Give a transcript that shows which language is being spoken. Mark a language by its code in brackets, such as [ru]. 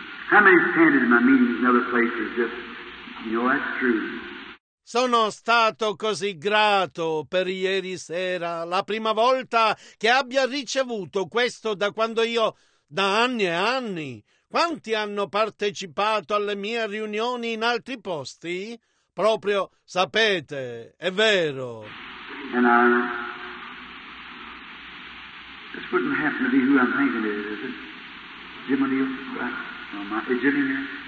[en] How many attended my meetings in other places? Just, you know, that's true. [it] Sono stato così grato per ieri sera, la prima volta che abbia ricevuto questo da quando io, da anni e anni. Quanti hanno partecipato alle mie riunioni in altri posti? Proprio, sapete, è vero. [en] And this wouldn't happen to be who I'm thinking it is it? Jim O'Neill? Right. No, my, is Jimmy here?